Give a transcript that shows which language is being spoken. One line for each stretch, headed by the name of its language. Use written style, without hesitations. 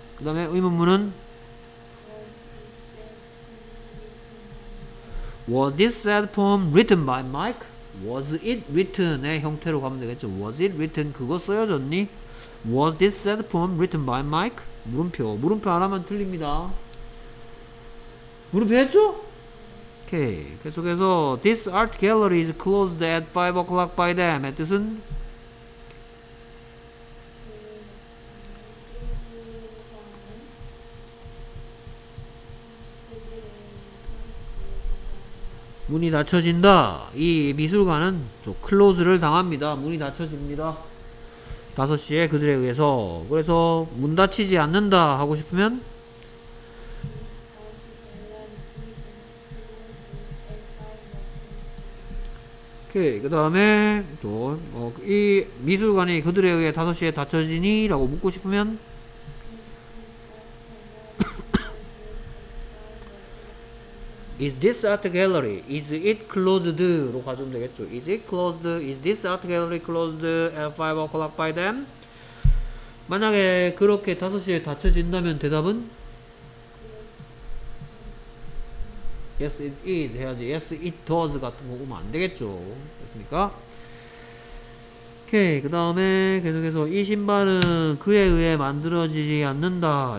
Korean: 그 다음에 의문문은
English: Was this sad poem written by Mike? Was it written
Korean: 의 형태로 가면 되겠죠. Was it written? 그거 쓰여졌니?
English: Was this sad poem written by Mike?
Korean: 물음표. 물음표 안 하면 틀립니다. 물음표 했죠? 오케이. 계속해서
English: This art gallery is closed at 5 o'clock by them.
Korean: 의 뜻은? 문이 닫혀진다. 이 미술관은 저 클로즈를 당합니다. 문이 닫혀집니다. 5시에 그들에 의해서. 그래서 문 닫히지 않는다 하고 싶으면 오케이. 그 다음에 또 이 미술관이 그들에 의해 5시에 닫혀지니? 라고 묻고 싶으면
English: Is this art gallery? Is it closed?
Korean: 로 가주면 되겠죠.
English: Is it closed? Is this art gallery closed at 5 o'clock by then?
Korean: 만약에 그렇게 5시에 닫혀진다면 대답은?
English: Yes, it is.
Korean: 해야지.
English: Yes, it does.
Korean: 같은 거 오면 안 되겠죠. 됐습니까? 오케이. 그 다음에 계속해서 이 신발은 그에 의해 만들어지지 않는다.